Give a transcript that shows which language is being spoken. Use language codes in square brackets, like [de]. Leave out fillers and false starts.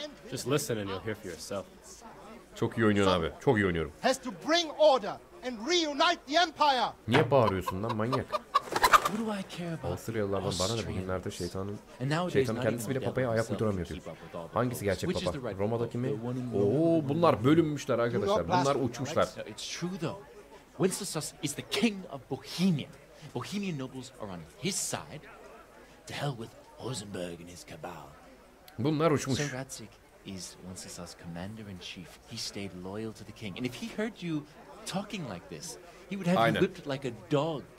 [en] Just listen and you'll hear for yourself. [tr] Çok iyi oynuyorsun abi. Çok iyi oynuyorum. [en] Has to bring order and reunite the empire. [tr] Niye bağırıyorsun lan manyak? [en] What do I care about? [tr] Avusturyalılardan bana ne, bugünlerde şeytanın kendisi bile papaya ayak uyduramıyor diyor. Hangisi gerçek papa? Roma'daki mi? Oo, bunlar bölünmüşler arkadaşlar. Bunlar uçmuşlar. [en] Wenceslas is the king of Bohemia. Bohemian nobles are on his side. To hell with Rosenberg and his cabal. [tr] Bunlar uçmuş. [en] Sir Ratzik is Wenceslas' commander in chief. He stayed loyal to the king. And if he heard you talking like this, he would have you whipped like a dog.